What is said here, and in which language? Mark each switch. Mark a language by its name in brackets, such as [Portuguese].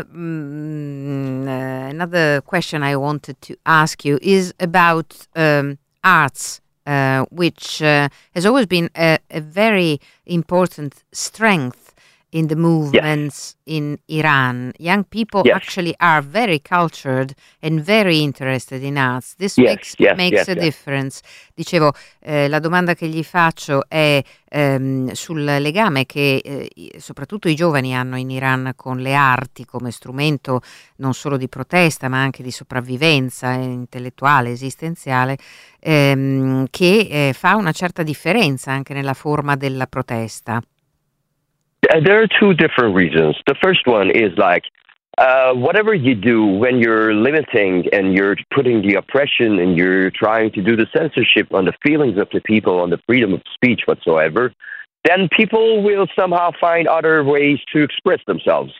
[English] Another question I wanted to ask you is about arts, which has always been a very important strength in the movements, yes, in Iran. Young people, yes, actually are very cultured and very interested in arts. This, yes, makes a, yes, difference. [Italian] Dicevo, la domanda che gli faccio è sul legame che soprattutto i giovani hanno in Iran con le arti come strumento non solo di protesta ma anche di sopravvivenza intellettuale, esistenziale, che fa una certa differenza anche nella forma della protesta. [English] There are two different reasons. The first one is like, whatever you do when you're limiting and you're putting the oppression and you're trying to do the censorship on the feelings of the people, on the freedom of speech whatsoever, then people will somehow find other ways to express themselves.